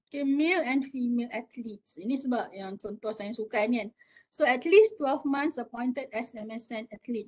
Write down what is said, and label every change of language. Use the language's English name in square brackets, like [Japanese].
[English] Okay, male and female athletes. [Malay] Ini sebab yang contoh saya suka ni kan. [English] So at least 12 months appointed as MSN athlete.